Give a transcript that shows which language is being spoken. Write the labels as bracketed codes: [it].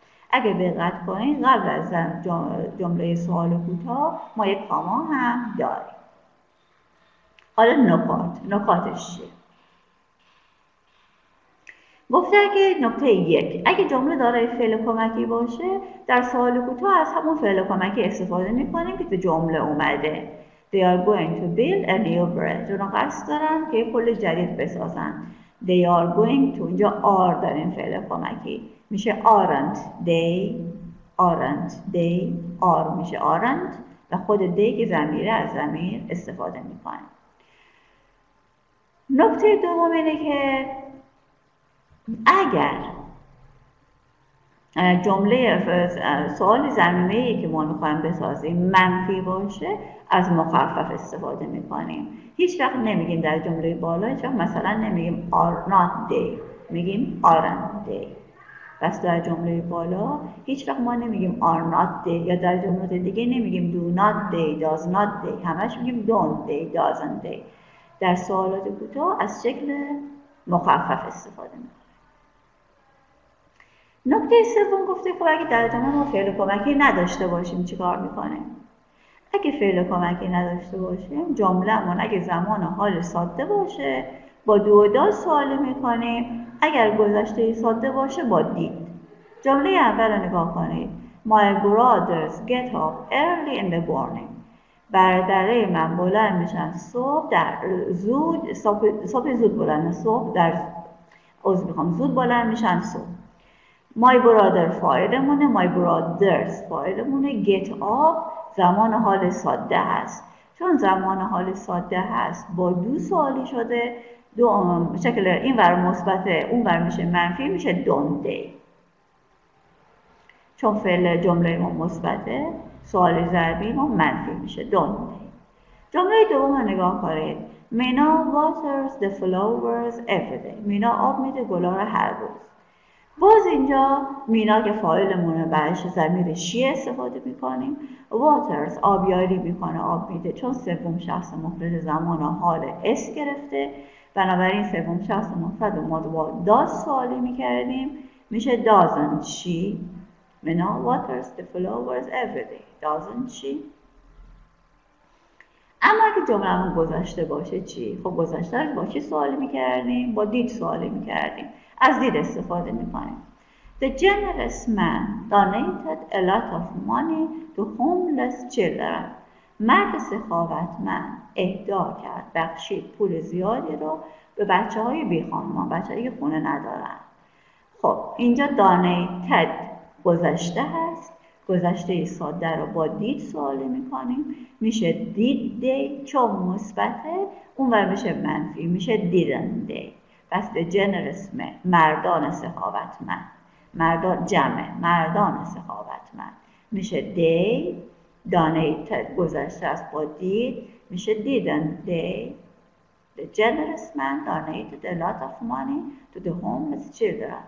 [fa] اگه دقت کنین قبل از جمله سوال کوتاه ما یک کاما هم داریم. حالا نکات، نکاتش چیه؟ گفته اگه نکته یک، اگه جمله دارای فعل کمکی باشه در سوال کوتاه از همون فعل کمکی استفاده میکنیم که تو جمله اومده. [en] They are going to build a new bridge. [fa] اونا قصد دارن که پل جدید بسازن. [en] They are going to. [fa] اینجا are داریم فعل کمکی. میشه [en] aren't they. Aren't they. Are [fa] میشه [en] aren't. [fa] و خود they که ضمیره از ضمیر استفاده میکنن. نکته دوم اینه که اگر جمله سوال زمینه‌ای که ما میخوایم بسازیم منفی باشه از مخفف استفاده میکنیم. هیچ وقت نمیگیم در جمله بالا هیچ وقت مثلا نمیگیم [en] are not they، [fa] میگیم [en] aren't they. [fa] بس در جمله بالا هیچ وقت ما نمیگیم are not they یا در جمله دیگه نمیگیم do not they، does not they، همش میگیم don't they، doesn't they. در سوالات کوتاه از شکل مخفف استفاده میکنیم. نکته سوم گفته خب اگه در ادامه ما فعل کمکی نداشته باشیم چیکار میکنیم؟ اگه فعل کمکی نداشته باشیم جمله من اگه زمان و حال ساده باشه با دو و دال سوال میکنیم، اگر گذشته ساده باشه با دید. جمله اول رو نگاه کنید. [en] My brothers get up early in the morning. [fa] برادرای من بلند میشن صبح در زود صبح زود بلند صبح در از میخوام زود بلند میشن صبح. My brother فاعلمونه، my brothers فاعلمونه، get up زمان حال ساده هست. چون زمان حال ساده هست با دو سوالی شده، دو شکل این ور مثبته اون ور میشه منفی، میشه [en] don't they. [fa] چون فعل جمله ما مثبته سوال ضربی ما منفی میشه [en] don't they. [fa] جمله دوم رو نگاه کنید. [en] مینا waters the flowers every day. [fa] مینا آب میده گلا رو هر روز. باز اینجا مینا که فاعلمونه برش ضمیر شی استفاده میکنیم، waters آبیاری میکنه آب میده، چون سوم شخص مفرد زمان و حال اس گرفته، بنابراین سوم شخص مفرد ما رو با داز سوالی میکردیم میشه [en] doesn't she. مینا waters the flowers every day. doesn't she. [fa] اما اگه جمله همون گذشته باشه چی؟ خب گذشته رو با چی سوالی میکردیم؟ با دید سوالی میکردیم، از دید استفاده میکنیم. [en] The generous man donated a lot of money to homeless children. [fa] مرد سخاوتمند اهدا کرد، بخشید پول زیادی رو به بچه های بی خانمان، بچه هایی که خونه ندارن. خب اینجا donated گذشته هست، گذشته ساده رو با دید سوالی میکنیم میشه did they، چون مثبته اون بر میشه منفی میشه [en] didn't they. [fa] پس the generous man مردان سخاوتمند، مردان جمع مردان سخاوتمند میشه they، donated گذشته است با did میشه [en] didn't they. the generous man donated a lot of money to the homeless children.